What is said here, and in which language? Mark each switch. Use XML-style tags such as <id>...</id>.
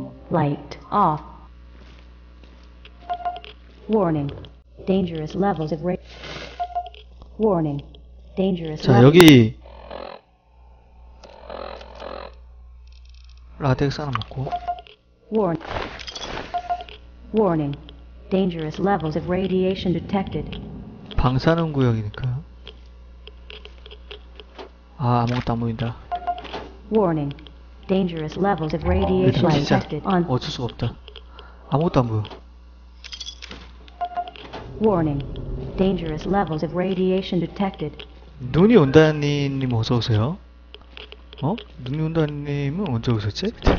<en>Light off. Warning. Dangerous levels of rate. Warning. Dangerous levels.</en> <ko>자, 여기 라텍스 하나 먹고.</ko> <en>Warning. Dangerous levels of radiation detected.</en> <ko>방사능 구역이니까. 아, 아무것도 안 보인다.</ko> <en>Warning. Dangerous levels of radiation detected.</en> <ko>어쩔 수가 없다. 아무것도 안 보여.</ko> <en>Warning. Dangerous levels of radiation detected.</en> <ko>눈이 온다님 어서 오세요. 어? 눈이 온다님은 언제 오셨지?</ko>